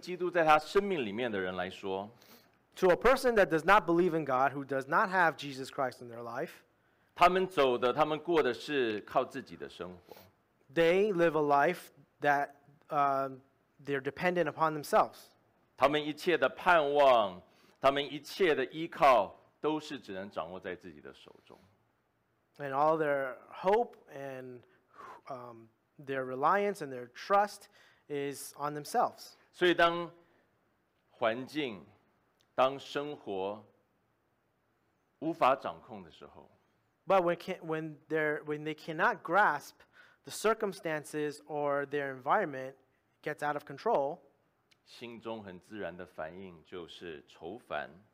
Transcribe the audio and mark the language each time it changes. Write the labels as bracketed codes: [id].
[zh] 弟兄姐妹，对于一个不认识神、没有主耶稣基督在他生命里面的人来说， [en] To a person that does not believe in God, who does not have Jesus Christ in their life, [zh] 他们走的、他们过的是靠自己的生活。 [en] They live a life that they're dependent upon themselves. [zh] 他们一切的盼望, 他们一切的依靠, 都是只能掌握在自己的手中。 [en] And all their hope and their reliance and their trust is on themselves. [zh] 所以当环境, 当生活无法掌控的时候, [en] But when they cannot grasp the circumstances or their environment gets out of control, [zh] 心中很自然的反应就是愁烦,